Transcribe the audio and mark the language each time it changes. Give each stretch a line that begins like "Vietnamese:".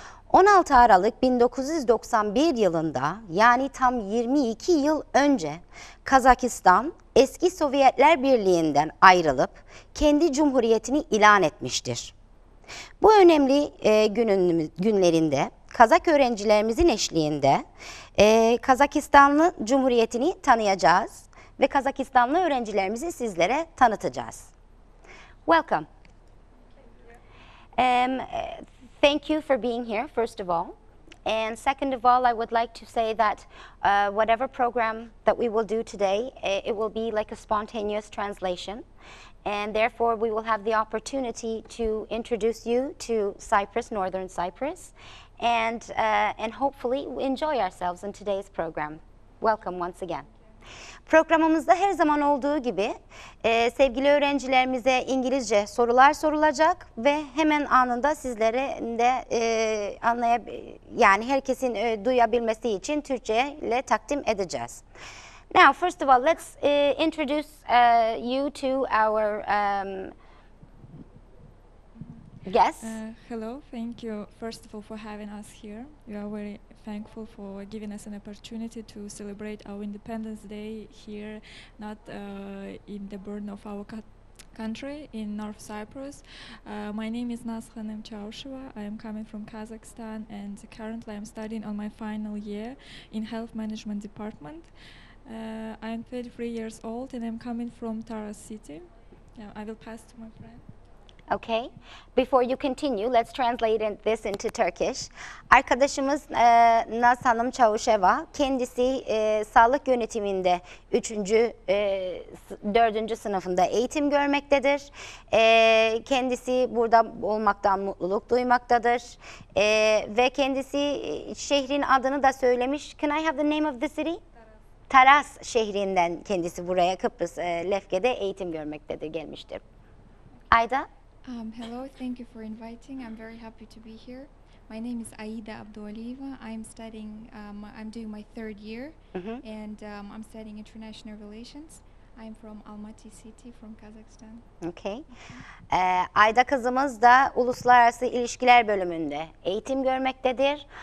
Turkish: 16 Aralık 1991 yılında, yani tam 22 yıl önce Kazakistan eski Sovyetler Birliği'nden ayrılıp kendi cumhuriyetini ilan etmiştir. Bu önemli günlerinde Kazak öğrencilerimizin eşliğinde Kazakistanlı Cumhuriyeti'ni tanıyacağız ve Kazakistanlı öğrencilerimizi sizlere tanıtacağız.
English: Welcome. Thank you for being here, first of all. And second of all, I would like to say that whatever program that we will do today, it will be like a spontaneous translation. And therefore, we will have the opportunity to introduce you to Cyprus, Northern Cyprus, and hopefully enjoy ourselves in today's program. Welcome once again.
Turkish: Programımızda her zaman olduğu gibi sevgili öğrencilerimize İngilizce sorular sorulacak ve hemen anında sizlere de yani herkesin duyabilmesi için Türkçe ile takdim edeceğiz.
English: Now, first of all, let's introduce you to our guests. Hello, thank you first of all for having us here. You are very thankful for giving us an opportunity to celebrate our Independence Day here, not in the burden of our country in North Cyprus. My name is Nazhanem Chaushova. I am coming from Kazakhstan and currently I'm studying on my final year in Health Management Department. I'm 33 years old and I'm coming from Taraz City. Yeah, I will pass to my friend. Okay, before you continue, let's translate this into Turkish.
Turkish: Arkadaşımız Naz Hanım Çavuşeva, kendisi sağlık yönetiminde 4. sınıfında eğitim görmektedir. Kendisi burada olmaktan mutluluk duymaktadır. Ve kendisi şehrin adını da söylemiş.
English: Can I have the name of the city?
Turkish: Taraz şehrinden kendisi buraya Kıbrıs Lefke'de eğitim görmektedir, gelmiştir. Ayda?
English: Hello, thank you for inviting. I'm very happy to be here. My name is Aida Abdualiyeva. I'm studying, I'm doing my third year, and I'm studying international relations. I'm from Almaty City, from Kazakhstan. Okay.
Turkish: Aida kızımız da Uluslararası İlişkiler Bölümünde eğitim görmektedir.